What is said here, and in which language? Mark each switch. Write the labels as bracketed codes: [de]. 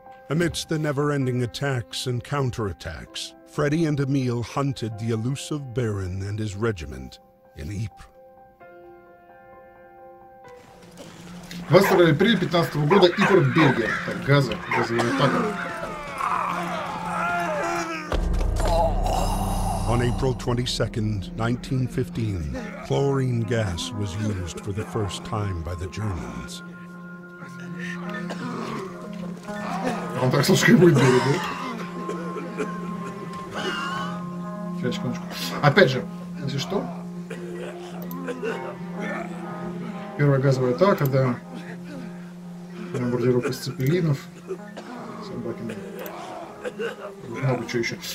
[en] Amidst the never-ending attacks and counterattacks, Freddy and Emil hunted the elusive Baron and his regiment in Ypres. [ru] В апреле 15 года Ипр, Бельгия. Так, газа, газовая атака. [en] On April 22nd, 1915, chlorine gas was used for the first time by the Germans. [ru] Он так слышит, как будет берег, да? Сейчас, секундочку. Опять же, если что. Первая газовая атака, да. Бомбардировка с цепелинов. Собаки. Много чего еще.